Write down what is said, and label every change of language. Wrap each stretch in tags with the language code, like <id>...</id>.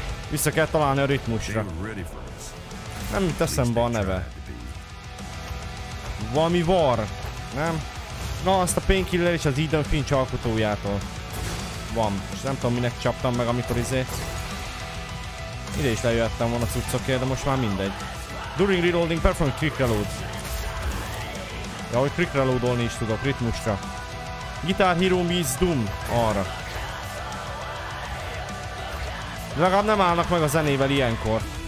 <hu>Vissza kell találni a ritmusra. Nem teszem be a neve. Valami var, nem? Na, azt a Painkiller és az Eden Finch alkotójától. Van. És nem tudom, minek csaptam meg, amikor izé... Ide is lejöhettem volna cuccokért, de most már mindegy.</hu> <en>During reloading, perform quick reload.</en> <hu>Ja, hogy quick reloadolni is tudok, ritmusra.</hu> <en>Guitar Hero meets Doom.</en> <hu>Arra. De legalább nem állnak meg a zenével ilyenkor.</hu>